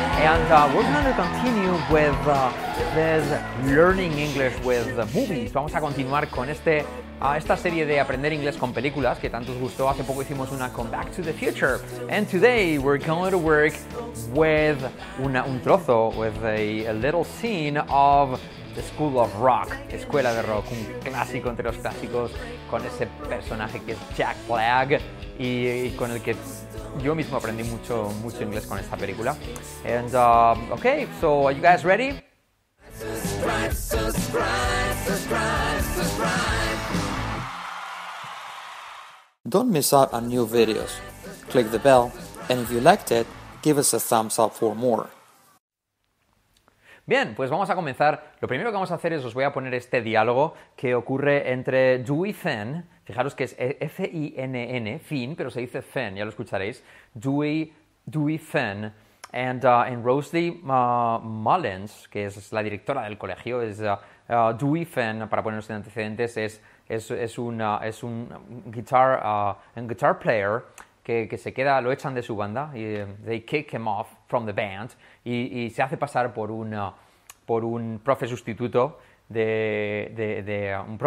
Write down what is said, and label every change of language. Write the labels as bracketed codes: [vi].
[en] And we're going to continue with this learning English with movies. [es] Vamos a continuar con esta serie de aprender inglés con películas que tanto os gustó. Hace poco hicimos una con Back to the Future. [en] And today we're going to work with a little scene of The School of Rock, [es] Escuela de Rock, un clásico entre los clásicos, con ese personaje que es Jack Black y con el que yo mismo aprendí mucho inglés con esta película. [en] And okay, so are you guys ready? Don't miss out on new videos. Click the bell, and if you liked it, give us a thumbs up for more. [es] Bien, pues vamos a comenzar. Lo primero que vamos a hacer es os voy a poner este diálogo que ocurre entre Dewey Finn. Fijaros que es F-I-N-N, Finn, pero se dice Finn, ya lo escucharéis. Dewey Finn. And Rosalie Mullins, que es la directora del colegio, es Dewey Finn, para ponernos en antecedentes, es un guitar player que se queda, lo echan de su banda, y [en] they kick him off from the band, [es] y se hace pasar por un profe sustituto de